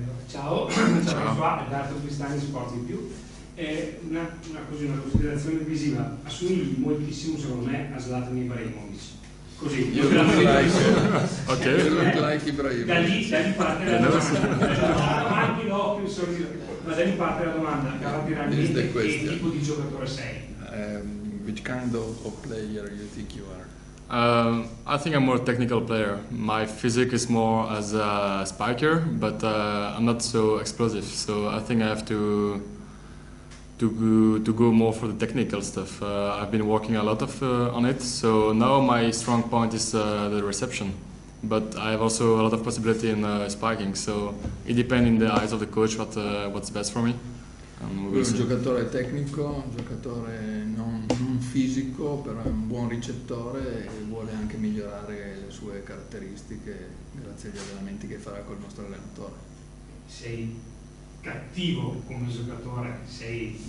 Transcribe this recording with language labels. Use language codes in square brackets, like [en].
[it] Ciao, Edoardo Cristani, Sport in più. Una considerazione visiva, assomigli moltissimo secondo me a Zlatan Ibrahimovic. Così. Io non [en] like. Ok. Like Ibrahimovic. [it] Da lì parte la domanda. Anche l'occhio, il sorriso. Ma da lì parte la domanda. Caratterialmente, che tipo di giocatore sei? [en] Which kind of player you think you are? I think I'm more technical player. My physique is more as a spiker, but I'm not so explosive. So I think I have to go more for the technical stuff. I've been working a lot on it. So now my strong point is the reception, but I have also a lot of possibility in spiking. So it depends in the eyes of the coach what's best for me. [it] Lui è un giocatore tecnico, un giocatore non fisico, però è un buon ricettore e vuole anche migliorare le sue caratteristiche grazie agli allenamenti che farà col nostro allenatore. Sei cattivo come giocatore, sei